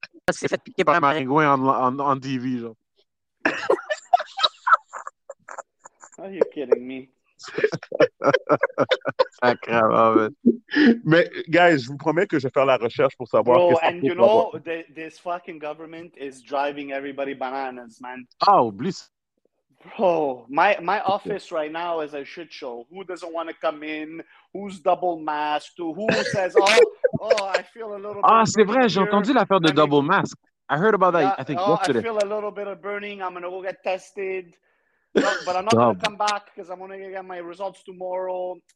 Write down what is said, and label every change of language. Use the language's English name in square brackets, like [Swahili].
[French] C'est fait piquer par un maringouin en TV, genre. [English] Are you kidding me? [French] C'est grave, hein, man. Mais, guys, je vous promets que je vais faire la recherche pour savoir... [English] Bro, and you know, this fucking government is driving everybody bananas, man. Oh, please. Bro, my office right now is a shit show. Who doesn't want to come in? Who's double masked? Who says, oh, I feel a little bit... [French] Ah, c'est vrai, here. J'ai entendu l'affaire de double mask. [English] I heard about that, I think, yesterday. I feel a little bit of burning. I'm going to go get tested. But I'm not going to come back because I'm going to get my results tomorrow.